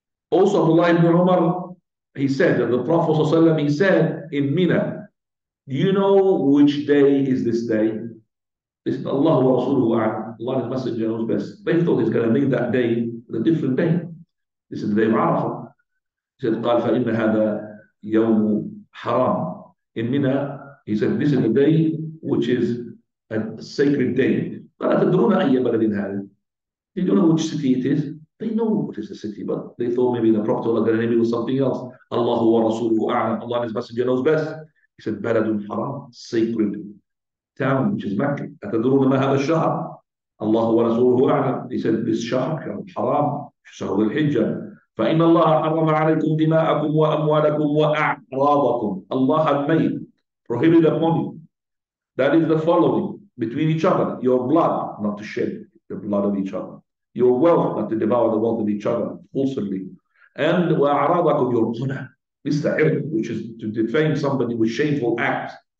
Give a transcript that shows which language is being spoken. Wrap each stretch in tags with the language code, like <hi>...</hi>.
<en>Also, Abdullah ibn Umar, he said that the Prophet ﷺ, he said in Mina, do you know which day is this day? This is</en> <ar>Allah wa Rasuluhu A'lam.</ar> <en>Allah the Messenger knows best. They thought he's going to make that day a different day. This is the day of Arafah. He said,</en> <ar>قَالْ فَإِنَّ هَذَا يَوْمُ حَرَامٌ.</ar> <en>In Mina, he said, this is the day which is a sacred day.</en> <ar>قَالَ تَدْرُونَ أَيَّ بَلَدٍ هَذَا.</ar> <en>Do you know which city it is? They know what is the city, but they thought maybe the Prophet was going to name it something else.</en> <ar>Allahu wa Rasuluhu A'lam.</ar> <en>Allah his Messenger knows best. He said,</en> <ar>بَلَدٌ حَرَامٌ,</ar> <en>sacred town, which is Mecca.</en> <ar>أَتَدْرُونَ مَا هَذَا الشَّهْرُ. الله ورسوله أعلم.</ar> <en>He said, this</en> <ar>شهر حرام شهر الحجة. فإن الله حرم عليكم دماءكم وأموالكم وأعراضكم.</ar> <en>Allah had made prohibited upon you. That is the following between each other. Your blood not to shed the blood of each other. Your wealth not to devour the wealth of each other falsely. And وأعراضكم your zina. This is the irb, which is to defame somebody with shameful acts.</en>